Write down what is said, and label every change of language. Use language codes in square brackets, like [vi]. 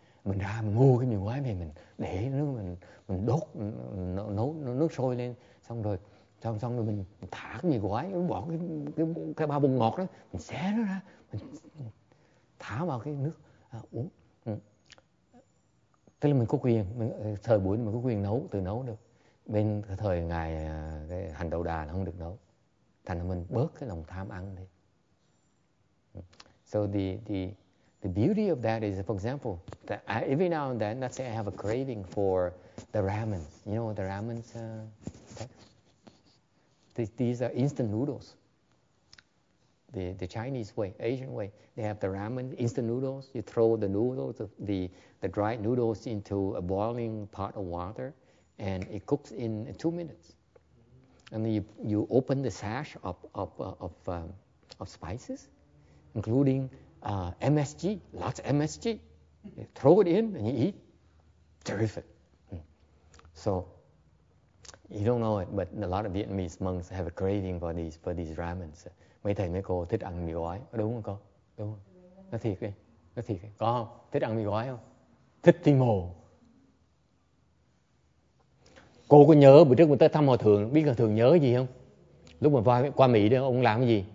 [vi] Mình ra mình mua cái mì gói về mình để nước mình đốt nấu nước sôi lên xong rồi mình thả cái mì gói bỏ cái bao bùng ngọt đó mình xé nó ra mình thả vào cái nước uống. Tức là mình có quyền thời buổi mình có quyền nấu tự nấu được. Bên thời ngài cái hành đầu đà là không được nấu. Thành ra mình bớt cái lòng tham ăn đi. [en] So the beauty of that is, for example, that I, every now and then, let's say I have a craving for the ramen. You know the ramen? These are instant noodles. The Chinese way, Asian way, they have the ramen, instant noodles. You throw the noodles, the dried noodles into a boiling pot of water, and it cooks in 2 minutes. And then you open the sash of spices, including MSG, lots of MSG. You throw it in and you eat. Terrific. So you don't know it, but a lot of Vietnamese monks have a craving for these ramen. [vi] Mấy thầy mấy cô thích ăn mì gói, đúng không con? Đúng không? Nói thiệt đi, nói thiệt đi. Có không? Thích ăn mì gói không? Thích tim hồ. Cô có nhớ bữa trước mình tới thăm Hòa Thượng, biết Hòa Thượng nhớ gì không? Lúc mình qua Mỹ đó, ông làm cái gì?